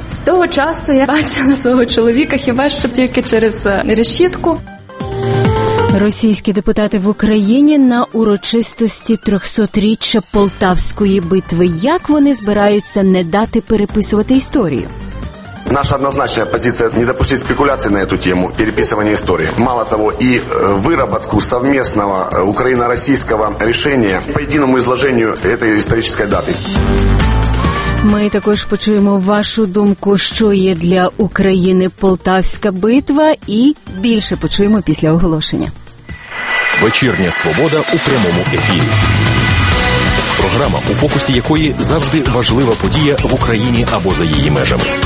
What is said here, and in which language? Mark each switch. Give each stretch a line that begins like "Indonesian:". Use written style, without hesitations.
Ukrainian: З того часу я бачила свого чоловіка хіба що тільки через решітку. Російські депутати в Україні на урочистості 300-річчя Полтавської битви. Як вони збираються не дати переписувати історію?
Russian: Наша однозначная позиция – не допустить спекуляций на эту тему, переписывания истории. Мало того, и выработку совместного украино-российского решения по единому изложению этой исторической даты.
Ukrainian: Ми також почуємо вашу думку, що є для України Полтавська битва, і більше почуємо після оголошення. Вечірня «Свобода» у прямому ефірі. Програма, у фокусі якої завжди важлива подія в Україні або за її межами.